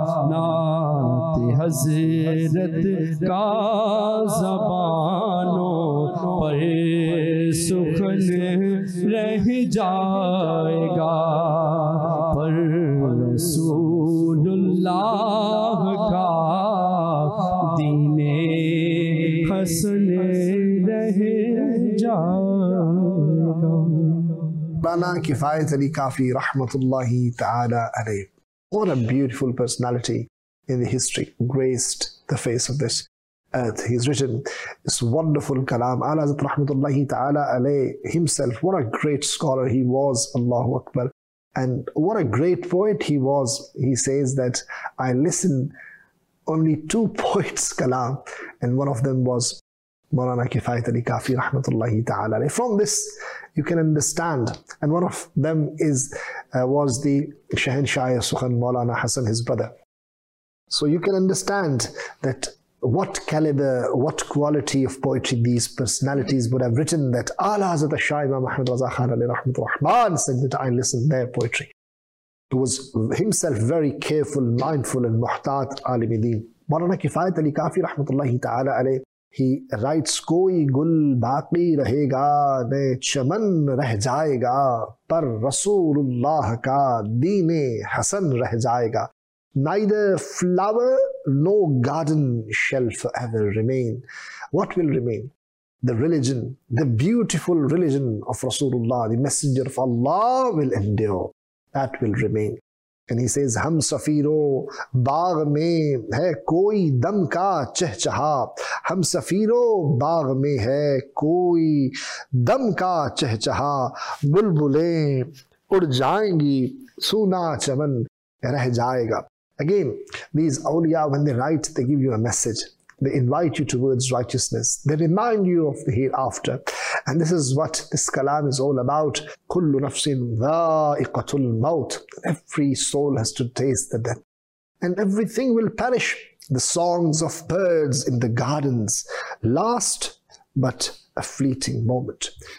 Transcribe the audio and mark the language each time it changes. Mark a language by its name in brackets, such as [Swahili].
[Urdu] نعت حضرت کا زبانوں پر سخن رہ جائے گا پر رسول اللہ کا دین حسن رہ جائے گا بنا کفایت علی کافی رحمت اللہ تعالی علیہ. [English] What a beautiful personality in the history graced the face of this earth. He's written this wonderful kalam. Ala Hazrat Rahmatullahi Ta'ala Alayh himself, what a great scholar he was, Allahu Akbar. And what a great poet he was. He says that I listen only two poets' kalam, and one of them was Maulana Kifayat Ali Kafi Rahmatullahi Ta'ala Alayh. From this, you can understand, and one of them was the Shahenshah Sukhan Maulana Hassan, his brother. So you can understand that what caliber, what quality of poetry these personalities would have written, that Ala Hazrat Shah Imam Ahmad Raza Khan Ali Rahmat Rahman said that I listened their poetry. He was himself very careful, mindful, and muhtaat alimidin. Maulana Kifayat Ali Kafi Rahmatullahi Ta'ala Alayh. He writes, [Urdu] کوئی گل باقی رہے گا نہ چمن رہ جائے گا پر رسول اللہ کا دین حسن رہ جائے گا [English] Neither flower nor garden shall forever remain. What will remain? The religion, the beautiful religion of Rasulullah, the messenger of Allah will endure. That will remain. And he says, [Urdu] ہم سفیرو باغ میں ہے کوئی دم کا چہچہا ہم سفیرو باغ میں ہے کوئی دم کا چہچہا بلبلیں اڑ جائیں گی سونا چمن رہ جائے گا [English] Again, these awliya, when they write, they give you a message. They invite you towards righteousness. They remind you of the hereafter. And this is what this kalam is all about. [Arabic] كُلُّ نَفْسٍ ذَائِقَةُ الْمَوْتِ [English] Every soul has to taste the death. And everything will perish. The songs of birds in the gardens last but a fleeting moment.